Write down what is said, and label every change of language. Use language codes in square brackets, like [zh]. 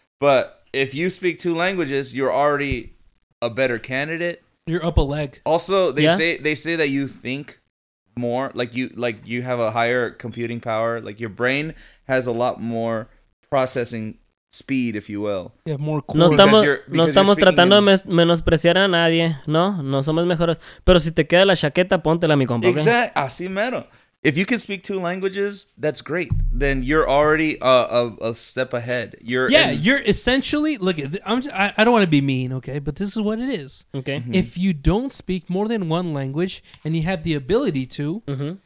[en] But if you speak two languages, you're already a better candidate. You're up a leg. Also, they say that you think more, like you have a higher computing power, like your brain has a lot more processing speed, if you will. Yeah, more cool. [es] No estamos tratando de menospreciar a nadie, ¿no? No somos mejores, pero si te queda la chaqueta, póntela, mi compa. Exacto, así mero. [en] if you can speak two languages, that's great. Then you're already a step ahead. You're You're essentially, look, I don't want to be mean, okay? But this is what it is. Okay. Mm-hmm. If you don't speak more than one language and you have the ability to, mm-hmm.